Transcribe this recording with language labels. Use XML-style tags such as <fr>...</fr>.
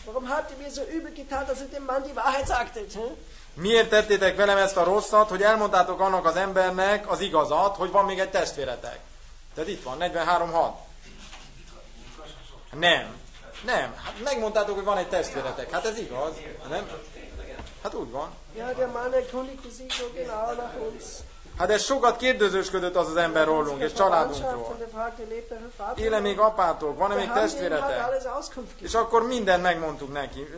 <de>Warum habt ihr mir so übel getan, dass ihr dem Mann die Wahrheit sagtet?</de> <hu>Miért tettétek velem ezt a rosszat, hogy elmondtátok annak az embernek az igazat, hogy van még egy testvéretek? Tehát itt van, 43.6. Nem. Nem. Hát megmondtátok, hogy van egy testvéretek. Hát ez igaz. Nem? Hát úgy van.</hu> <de>Ja, der Mann erkundigte sich so genau nach uns.</de> <hu>Hát ez sokat kérdezősködött az az ember rólunk és családunkról. Éle még apátok? Van-e még testvéretek? És akkor mindent megmondtuk neki.</hu>